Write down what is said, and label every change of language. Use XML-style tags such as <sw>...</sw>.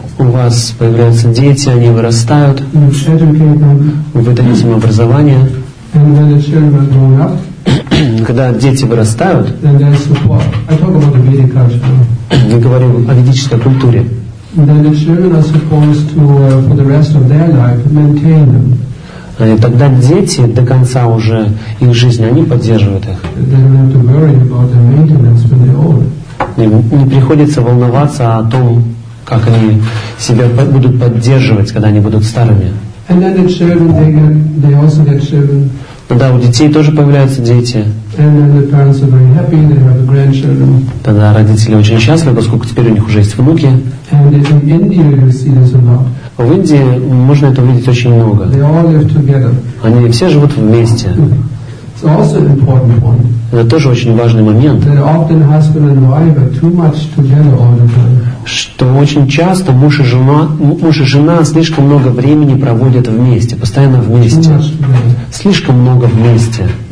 <ru>У вас появляются дети, они вырастают.</ru> <en>You educate them.</en> <ru>Вы даете им образование.</ru> <en>And when the children grow up.</en> <ru>Когда дети вырастают.</ru> <en>Then there is support. I talk about the Vedic culture.</en> <ru>Мы говорим о ведической культуре.</ru> <en>Then the children are supposed to, for the rest of their life, maintain them.</en> <ru>И тогда дети до конца уже их жизни, они поддерживают их.</ru> <en>They don't have to worry about their maintenance when they're old.</en> <ru>Не приходится волноваться о том, как они себя будут поддерживать, когда они будут старыми.</ru> <en>And then the children, they also get children.</en> <ru>Тогда у детей тоже появляются дети.</ru> <en>And then the parents are very happy, they have grandchildren.</en> <ru>Тогда родители очень счастливы, поскольку теперь у них уже есть внуки.</ru> <en>And in India you see this a lot.</en> <ru>В Индии можно это увидеть очень много.</ru> <en>They all live together.</en> <ru>Они все живут вместе.</ru> <en>It's also an important point.</en> <ru>Это тоже очень важный момент.</ru> <en>That often husband and wife are too much together all the time.</en> <ru>Что очень часто муж и жена слишком много времени проводят вместе, постоянно вместе. Слишком много вместе.</ru>